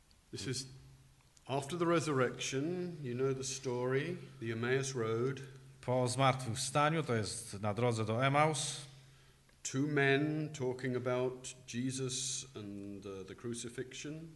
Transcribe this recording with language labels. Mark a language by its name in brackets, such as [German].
[English] This is after the resurrection. You know the story, the Emmaus Road. [Polish] Po zmartwychwstaniu, to jest na drodze do Emmaus. [English] Two men talking about Jesus and the crucifixion.